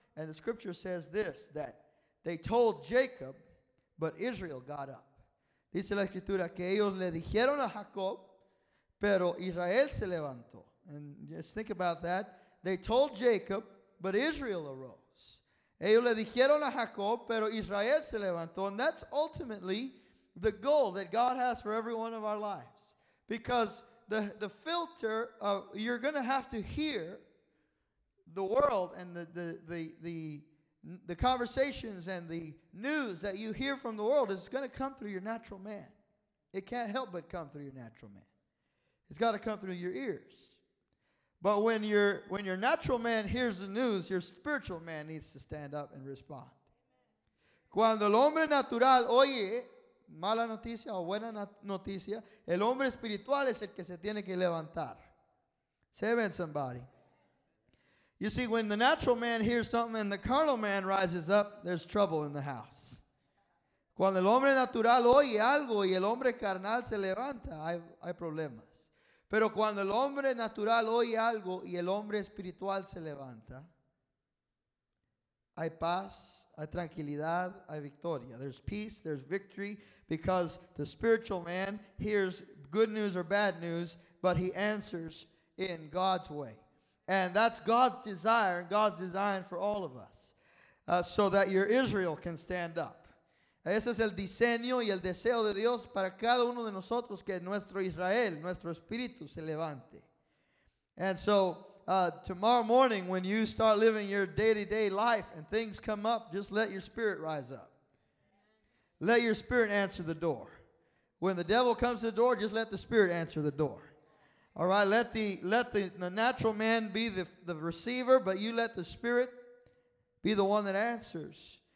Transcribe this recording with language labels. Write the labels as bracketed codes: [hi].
[en] And the scripture says this, that they told Jacob, but Israel got up. [es] Dice la escritura que ellos le dijeron a Jacob, pero Israel se levantó. [en] And just think about that. They told Jacob, but Israel arose. [es] Ellos le dijeron a Jacob, pero Israel se levantó. [en] And that's ultimately the goal that God has for every one of our lives. Because the filter of you're going to have to hear the world and the conversations and the news that you hear from the world is going to come through your natural man. It can't help but come through your natural man. It's got to come through your ears. But when your natural man hears the news, your spiritual man needs to stand up and respond. [es] Cuando el hombre natural oye mala noticia o buena noticia, el hombre espiritual es el que se tiene que levantar. [en] Say amen, somebody. You see, when the natural man hears something and the carnal man rises up, there's trouble in the house. [es] Cuando el hombre natural oye algo y el hombre carnal se levanta, hay problemas. Pero cuando el hombre natural oye algo y el hombre espiritual se levanta, hay paz, hay tranquilidad, hay victoria. [en] There's peace, there's victory, because the spiritual man hears good news or bad news, but he answers in God's way. And that's God's design for all of us, so that your Israel can stand up. [es] Ese es el diseño y el deseo de Dios para cada uno de nosotros, que nuestro Israel, nuestro espíritu, se levante. [en] And so, tomorrow morning, when you start living your day-to-day life and things come up, just let your spirit rise up. Let your spirit answer the door. When the devil comes to the door, just let the spirit answer the door. All right, let the natural man be the receiver, but you let the spirit be the one that answers.